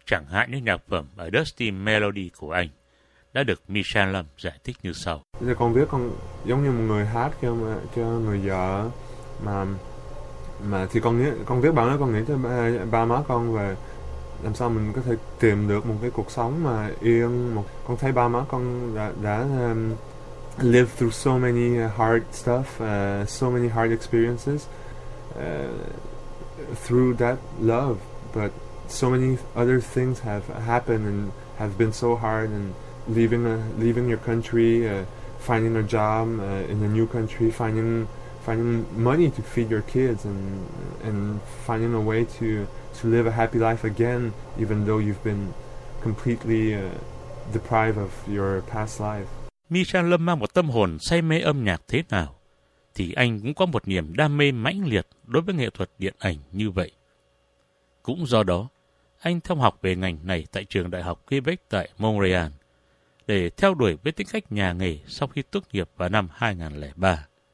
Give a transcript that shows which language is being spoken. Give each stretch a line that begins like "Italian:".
Vietnamese: Chẳng hạn như nhạc phẩm A Dusty Melody của anh đã được Michel Lâm giải thích như sau. Giờ con biết con giống như một người hát cho người vợ mà thì con biết bạn đó, con nghĩ tới ba má con về làm sao mình có thể tìm được một cái cuộc sống mà yên. Con thấy ba má con đã
English: live through so many hard stuff, so many hard experiences through that love, but so many other things have happened and have been so hard, and leaving your country, finding a job in a new country, finding money to feed your kids, and finding a way to live a happy life again, even though you've been completely deprived of your past life.
Vietnamese: Michel Lâm mang một tâm hồn say mê âm nhạc thế nào, thì anh cũng có một niềm đam mê mãnh liệt đối với nghệ thuật điện ảnh như vậy. Cũng do đó, anh theo học về ngành này tại trường đại học Quebec tại Montreal để theo đuổi với tính cách nhà nghề sau khi tốt nghiệp vào năm 2003.